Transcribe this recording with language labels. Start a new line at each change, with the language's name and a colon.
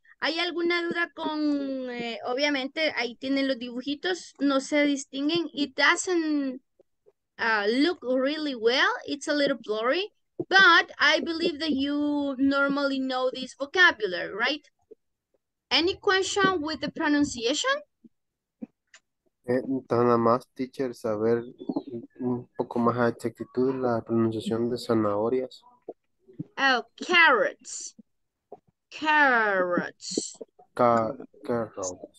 Spanish: ¿Hay alguna duda con, obviamente, ahí tienen los dibujitos, no se distinguen?
English: It doesn't look really well, it's a little blurry, but I believe that you normally know this vocabulary, right? Any question with the pronunciation?
Spanish: Nada más, teacher, saber un poco más a exactitud la pronunciación de zanahorias.
English: Oh, carrots. Carrots. Carrots. Carrots.